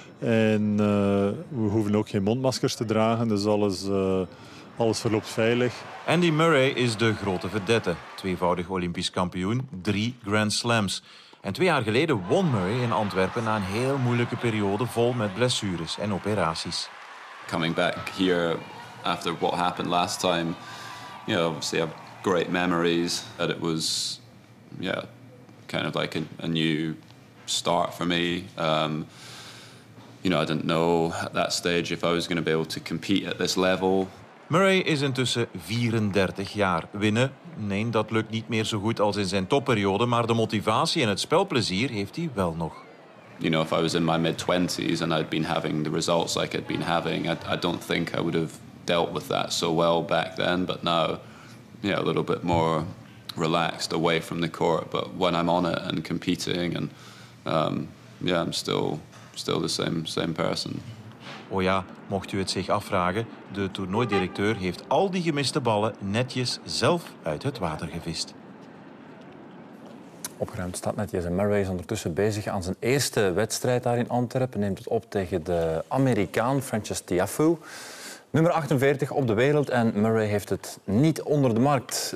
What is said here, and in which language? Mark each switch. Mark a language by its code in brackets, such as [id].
[nl] En we hoeven ook geen mondmaskers te dragen. Dus alles verloopt veilig. Andy Murray is de grote vedette. Tweevoudig Olympisch kampioen, drie Grand Slams. En twee jaar geleden won Murray in Antwerpen na een heel moeilijke periode vol met blessures en operaties. [en] Coming back here after what happened last time, you know, obviously I have great memories. That it was, yeah, kind of like a new start for me. You know, I didn't know at that stage if I was going to be able to compete at this level. [nl] Murray is intussen 34 jaar. Winnen? Nee, dat lukt niet meer zo goed als in zijn topperiode, maar de motivatie en het spelplezier heeft hij wel nog. [en] You know, if I was in my mid-20s and I'd been having the results like I'd been having, I don't think I would have dealt with that so well back then. But now, yeah, a little bit more relaxed away from the court. But when I'm on it and competing, and yeah, I'm still the same person. [nl] Oh ja, mocht u het zich afvragen, de toernooidirecteur heeft al die gemiste ballen netjes zelf uit het water gevist. Opgeruimd staat netjes. En Murray is ondertussen bezig aan zijn eerste wedstrijd daar in Antwerpen. Neemt het op tegen de Amerikaan Francis Tiafoe. Nummer 48 op de wereld en Murray heeft het niet onder de markt.